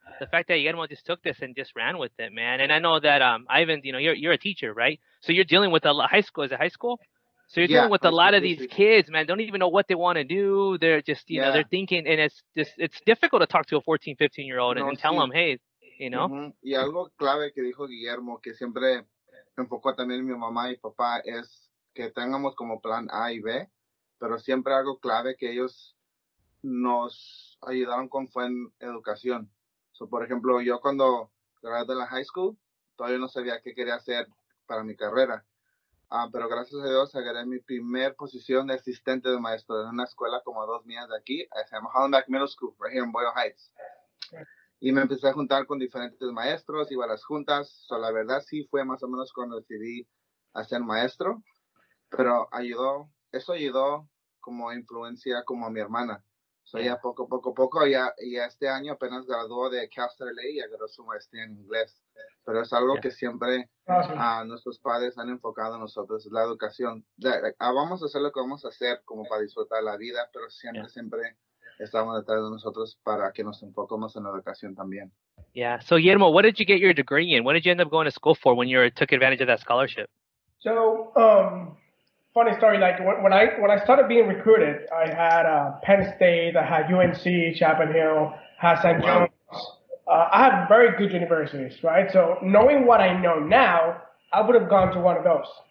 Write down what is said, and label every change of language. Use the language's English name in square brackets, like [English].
[English] The fact that Guillermo just took this and just ran with it, man. And I know that Ivan, you know, you're a teacher, right? So you're dealing with high school? So you're dealing with a lot of these kids, man. Don't even know what they want to do. They're just, you know, they're thinking, and it's difficult to talk to a 14, 15 year old and tell them, hey, you know. [Spanish] Y algo clave que dijo Guillermo, que siempre enfocó también mi mamá y papá, es que tengamos como plan A y B, pero siempre algo clave que ellos nos ayudaron con fue en educación. So, por ejemplo, yo cuando gradué de la high school, todavía no sabía qué quería hacer para mi carrera. Pero gracias a Dios, agarré mi primer posición de asistente de maestro en una escuela como a 2 millas de aquí. Se llama Hollenbeck Middle School, [English] right here in Boyle Heights. [Spanish] Y me empecé a juntar con diferentes maestros, iba a las juntas. So, la verdad, sí fue más o menos cuando decidí a ser maestro. Pero eso ayudó como influencia como a mi hermana. So, ya poco a poco, ya este año apenas graduó de Cal State LA y agarró su maestría en inglés. Pero es algo que siempre nuestros padres han enfocado en nosotros, la educación. Vamos a hacer lo que vamos a hacer como para disfrutar la vida, pero siempre estamos detrás de nosotros para que nos enfoquemos en la educación también. [English] Yeah. So, Guillermo, what did you get your degree in? What did you end up going to school for when you took advantage of that scholarship? So, funny story, like when I started being recruited, I had Penn State, I had UNC, Chapel Hill, had St. John's. I had very good universities, right? So knowing what I know now, I would have gone to one of those.